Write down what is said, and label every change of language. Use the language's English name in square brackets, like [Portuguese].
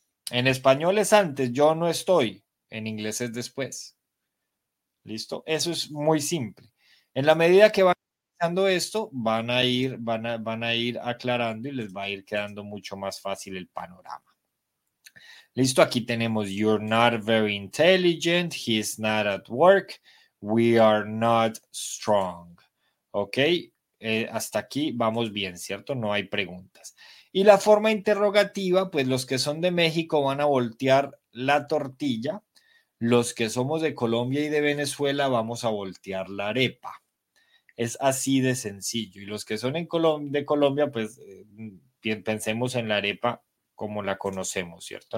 [Spanish] En español es antes, yo no estoy. En inglés es después. ¿Listo? Eso es muy simple. En la medida que van haciendo esto, van a ir aclarando y les va a ir quedando mucho más fácil el panorama. ¿Listo? [English] Aquí tenemos, you're not very intelligent, he is not at work, we are not strong. [Spanish] ¿Ok? Hasta aquí vamos bien, ¿cierto? No hay preguntas. Y la forma interrogativa, pues los que son de México van a voltear la tortilla, los que somos de Colombia y de Venezuela vamos a voltear la arepa. Es así de sencillo. Y los que son de Colombia, pues pensemos en la arepa como la conocemos, ¿cierto?